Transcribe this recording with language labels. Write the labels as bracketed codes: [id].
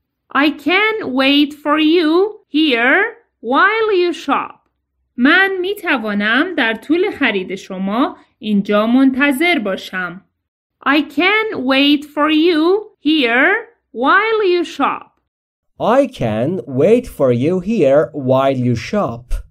[en] I can wait for you here while you shop. [fa] من می توانم در طول خرید شما اینجا منتظر باشم. [en] I can wait for you here while you shop. I can wait for you here while you shop.